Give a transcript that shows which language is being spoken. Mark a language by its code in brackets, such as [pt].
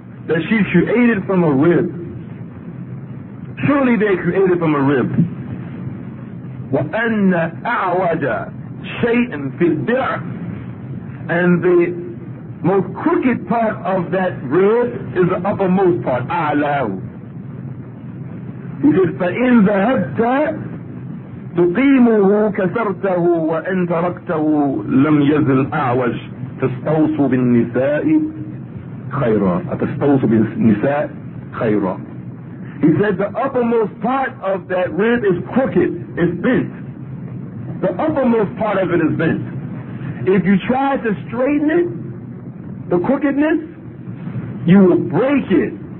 [en] That she created from a rib. Surely they created from a rib. [ar] وأن أعوج شيء في الضلع. [en] And the most crooked part of that rib is the uppermost part. [ar] أعلاه. [en] He said, [ar] فإن ذهبت تقيمه كسرته وإن تركته لم يزل أعوج تستوصوا بالنساء خيرا أتستوصوا بالنساء خيرا. [en] He said the uppermost part of that rib is crooked, it's bent. The uppermost part of it is bent. If you try to straighten it, the crookedness, you will break it.